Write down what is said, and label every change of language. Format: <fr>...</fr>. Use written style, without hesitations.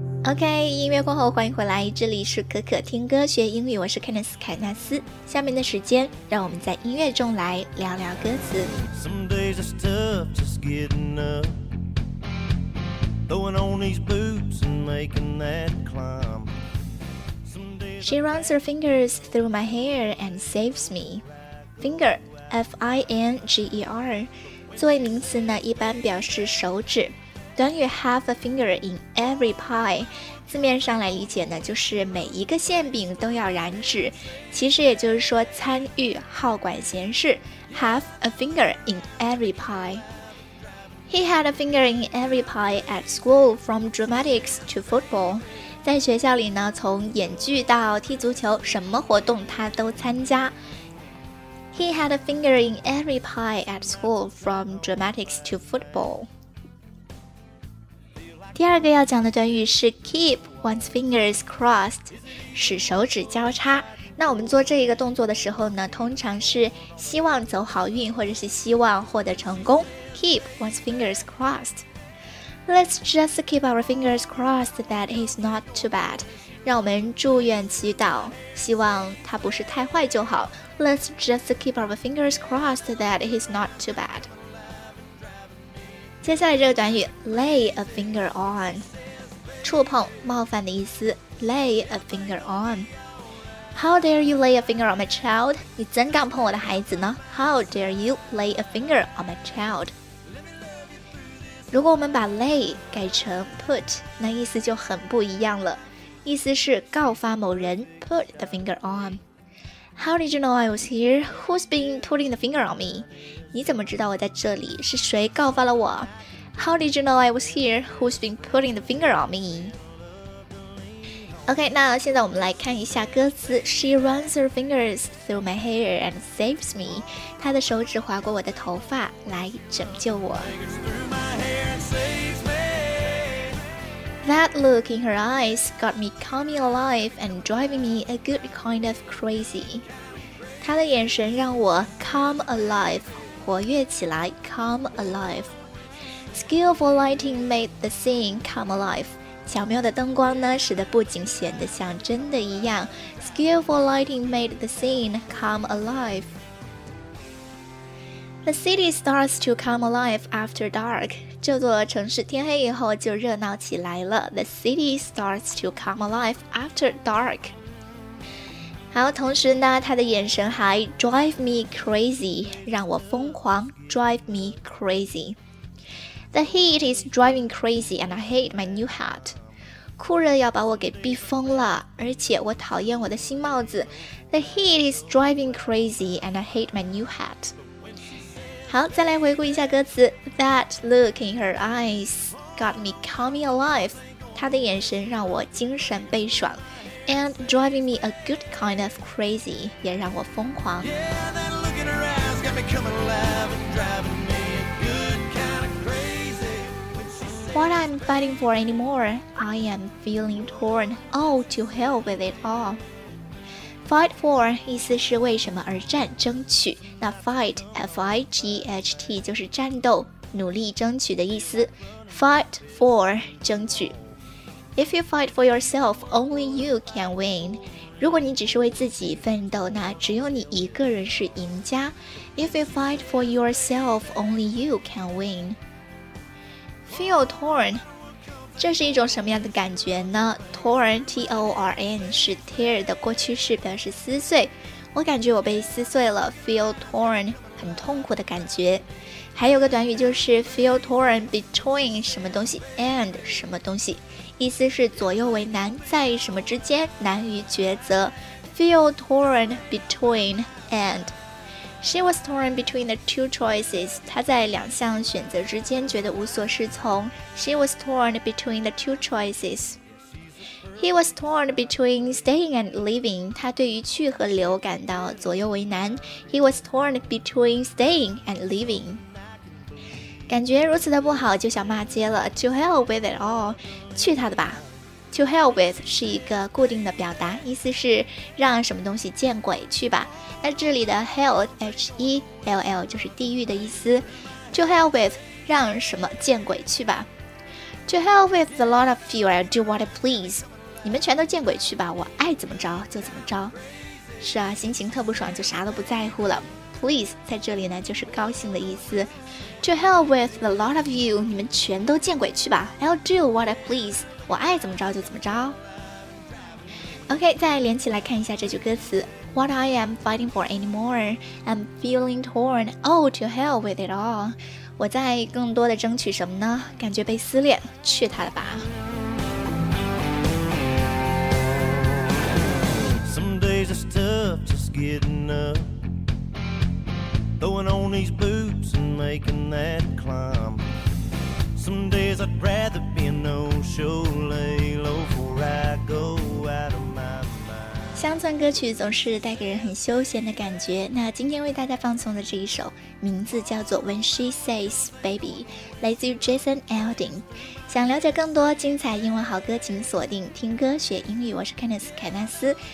<zh>OK, 音乐过后欢迎回来，这里是可可听歌学英语，我是 Kenneth 凯纳斯。下面的时间让我们在音乐中来聊聊歌词。</zh> <en>Some days it's tough just getting up, throwing on these boots and making that climb. She runs her fingers through my hair and saves me.</en> <zh>Finger, F-I-N-G-E-R, 作为名词呢，一般表示手指。短语</zh> <en>have a finger in every pie,</en> <zh>字面上来理解呢，就是每一个馅饼都要染指，其实也就是说参与好管闲事。</zh> <en>Have a finger in every pie. He had a finger in every pie at school, from dramatics to football.</en> <zh>在学校里呢，从演剧到踢足球，什么活动他都参加。</zh> <en>He had a finger in every pie at school, from dramatics to football.</en> <zh>第二个要讲的短语是</zh> <en>keep one's fingers crossed,</en> <zh>使手指交叉。那我们做这一个动作的时候呢，通常是希望走好运，或者是希望获得成功。</zh> <en>Keep one's fingers crossed. Let's just keep our fingers crossed that he's not too bad.</en> <zh>让我们祝愿祈祷，希望他不是太坏就好。</zh> <en>Let's just keep our fingers crossed that he's not too bad.</en> <zh>接下来这个短语</zh> <en>lay a finger on，</en> <zh>触碰、冒犯的意思。</zh> <en>Lay a finger on. How dare you lay a finger on my child?</en> <zh>你怎敢碰我的孩子呢？</zh> <en>How dare you lay a finger on my child?</en> <zh>如果我们把 lay 改成 put， 那意思就很不一样了。意思是告发某人</zh> <en>put the finger on。 How did you know I was here? Who's been putting the finger on me?</en> <zh>你怎么知道我在这里？是谁告发了我？</zh> <en>How did you know I was here? Who's been putting the finger on me?</en> <zh>OK， 那现在我们来看一下歌词。</zh> <en>She runs her fingers through my hair and saves me。</en> <zh>她的手指划过我的头发来拯救我。</zh> <en>That look in her eyes got me coming alive and driving me a good kind of crazy.</en> <zh>她的眼神让我</zh> <en>come alive,</en> <zh>活跃起来 come alive.</zh> <en>Skillful lighting made the scene come alive.</en> <zh>巧妙的灯光呢使得布景显得像真的一样</zh> <en>Skillful lighting made the scene come alive. The city starts to come alive after dark.</en> <zh>这座城市天黑以后就热闹起来了。</zh> <en>The city starts to come alive after dark.</en> <zh>好，同时呢，他的眼神还</zh> <en>drive me crazy，</en> <zh>让我疯狂 drive me crazy.</zh> <en>The heat is driving crazy and I hate my new hat.</en> <zh>酷热要把我给逼疯了，而且我讨厌我的新帽子。</zh> <en>The heat is driving crazy and I hate my new hat.</en> <zh>好，再来回顾一下歌词。</zh> <en>That look in her eyes got me coming alive.</en> <zh>她的眼神让我精神倍爽。</zh> <en>And driving me a good kind of crazy</en> <zh>也让我疯狂。</zh> <en>Yeah, that look in her eyes got me coming alive and driving me a good kind of crazy. What I'm fighting for anymore, I am feeling torn. Oh, to hell with it all. Fight for</en> <zh>意思是为什么而战，争取。那 fight F-I-G-H-T 就是战斗、努力、争取的意思。</zh> <en>Fight for</en> <zh>争取。</zh> <en>If you fight for yourself, only you can win.</en> <zh>如果你只是为自己奋斗，那只有你一个人是赢家。</zh> <en>If you fight for yourself, only you can win. Feel torn.</en> <zh>这是一种什么样的感觉呢？Torn, T-O-R-N 是 tear 的过去式，表示撕碎。我感觉我被撕碎了，</zh> <en>feel torn，</en> <zh>很痛苦的感觉。还有个短语就是</zh> <en>feel torn between</en> <zh>什么东西 and 什么东西，意思是左右为难，在什么之间，难于抉择。</zh> <en>feel torn between and She was torn between the two choices.</en> <zh>她在两项选择之间觉得无所适从。</zh> <en>She was torn between the two choices. He was torn between staying and leaving.</en> <zh>她对于去和留感到左右为难。</zh> <en>He was torn between staying and leaving.</en> <zh>感觉如此的不好就想骂街了。</zh> <en>To hell with it all.</en> <zh>去他的吧。</zh> <en>To hell with</en> <zh>是一个固定的表达，意思是让什么东西见鬼去吧。那这里的 hell H-E-L-L 就是地狱的意思。</zh> <en>To hell with</en> <zh>让什么见鬼去吧。</zh> <en>To hell with the lot of you, I'll do what I please.</en> <zh>你们全都见鬼去吧，我爱怎么着就怎么着。是啊，心情特不爽就啥都不在乎了。 Please 在这里呢就是高兴的意思。</zh> <en>To hell with the lot of you,</en> <zh>你们全都见鬼去吧。</zh> <en>I'll do what I please.</en> <zh>我爱怎么着就怎么着。 OK， 再连起来看一下这句歌词。</zh> <en>What I am fighting for anymore, I'm feeling torn, oh to hell with it all.</en> <zh>我在更多的争取什么呢？感觉被撕裂，去他的吧。</zh> <en>Some days it's tough just getting up, throwing on these boots and making that climbSome days I'd rather be a no-show lay low before I go out of my mind.</en> <zh>乡村歌曲总是带给人很休闲的感觉。那今天为大家放送的这一首名字叫做 When She Says Baby， 来自于 Jason Aldean。想了解更多精彩英文好歌请锁定听歌学英语，我是 Candice 凯纳斯。</zh>